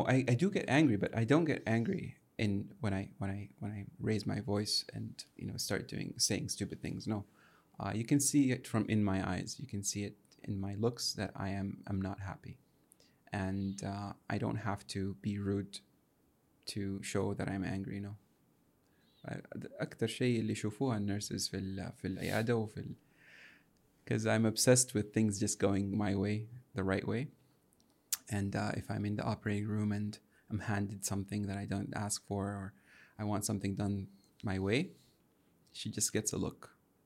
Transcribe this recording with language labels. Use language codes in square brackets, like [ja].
[en] I do get angry, but I don't get angry in when I raise my voice and, you know, start saying stupid things. No, you can see it from in my eyes. You can see it in my looks that I'm not happy. And I don't have to be rude to show that I'm angry, no. [ar] أكثر شيء اللي يشوفوها النيرسز في العيادة وفي ال... [en] Because I'm obsessed with things just going my way, the right way. And if I'm in the operating room and I'm handed something that I don't ask for, or I want something done my way, she just gets a look.